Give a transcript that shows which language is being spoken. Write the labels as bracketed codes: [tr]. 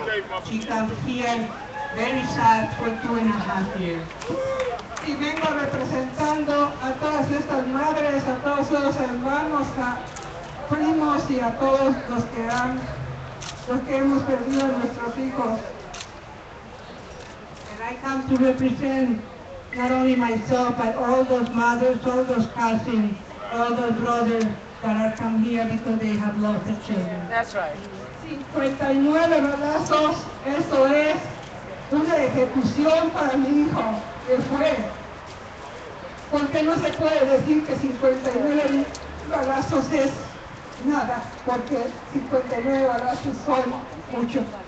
[en] Okay, she comes here very sad for 2.5 years. [es] Y vengo representando a todas estas madres, a todos los hermanos, a primos y a todos los que han, los que hemos perdido a nuestros hijos. [en] And I come to represent not only myself, but all those mothers, all those cousins, all those brothers that are come here because they have lost their children. That's right. [es] 59 balazos, eso es una ejecución para mi hijo, que fue. Porque no se puede decir que 59 balazos es nada, porque 59 balazos son mucho.